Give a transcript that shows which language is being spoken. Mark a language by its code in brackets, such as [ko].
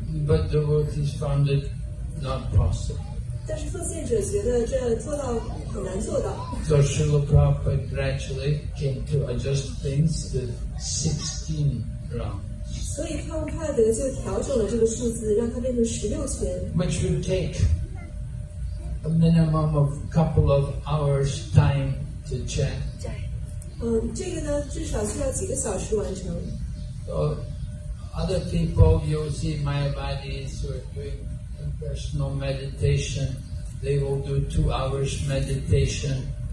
[en] But devotees found it not possible. [zh] 但是奉献者觉得这做到很难做到。 [en] So Srila Prabhupada gradually came to adjust things to 16 rounds. [zh] 所以帕布帕德就调整了这个数字，让它变成16拳。 [en] Which would take a minimum of a couple of hours time to chant. [zh] 这个呢，至少需要几个小时完成。 [en] So, other people, you see, Mayavadis who are doing impersonal meditation, they will do 2 hours meditation.